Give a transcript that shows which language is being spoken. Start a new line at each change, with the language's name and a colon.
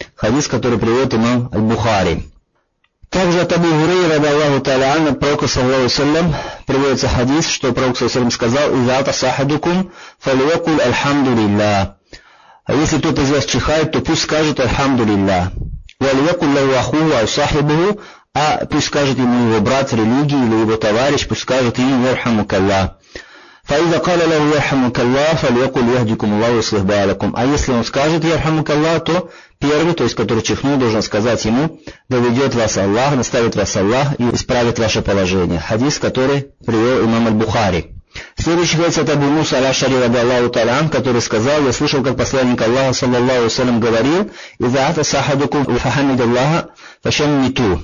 Russian: Хадис, который приводит имам аль-Бухари. Также от Абу Хурейры, ради Аллаху Та'аля анху, пророка саллаллаху алейхи ва саллям, приводится хадис, что пророк саллаллаху алейхи ва саллям сказал,
Arabic: «Иза атаса ахадукум фалиякул альхамду лилля».
Russian: А если кто-то из вас чихает, то пусть скажет «Альхамду лилля».
Arabic: «Валиякул лаху ахуху асахибуху
Russian: А пусть скажет ему его брат религии или его товарищ, пусть скажет ему
Arabic: «Йорхамука Аллах». فإذا قال له يرحمك الله فليقل يهديكم الله ويصلح بالكم.
Russian: А если он скажет
Arabic: يرحمك الله,
Russian: то первый, то есть который чихнул, должен сказать ему: доведет вас Аллах, наставит вас Аллах и исправит ваше положение. Хадис, который привел имам аль-Бухари. Следующий хадис от Абу Муса аль-Ашари ради Аллаху Та'ала, который сказал: я слышал, как посланник Аллаха саллаллаху алейхи ва саллям говорил:
Arabic: إذا أتى أحدكم فحمد الله فشمته.